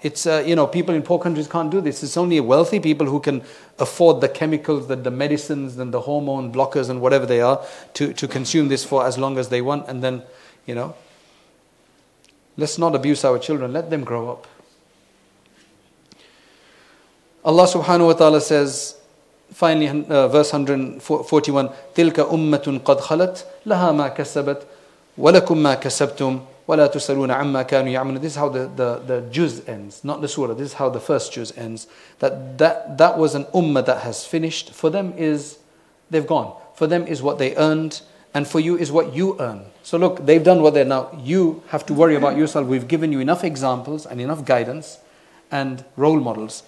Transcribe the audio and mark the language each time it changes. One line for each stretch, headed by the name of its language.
English: It's, you know, people in poor countries can't do this. It's only wealthy people who can afford the chemicals, the medicines, and the hormone blockers and whatever they are to consume this for as long as they want. And then, you know, let's not abuse our children. Let them grow up. Allah subhanahu wa ta'ala says, finally, verse 141,
Arabic: تِلْكَ أُمَّةٌ قَدْ خَلَتْ لَهَا مَا كَسَبَتْ وَلَكُمْ مَا كَسَبْتُمْ وَلَا تُسَلُونَ عَمَّا كَانُوا يَعْمَلُونَ.
English: This is how the juz ends, not the surah. This is how the first juz ends. That was an ummah that has finished. For them is, they've gone. For them is what they earned, and for you is what you earn. So look, they've done what they're now. You have to worry about yourself. We've given you enough examples and enough guidance and role models.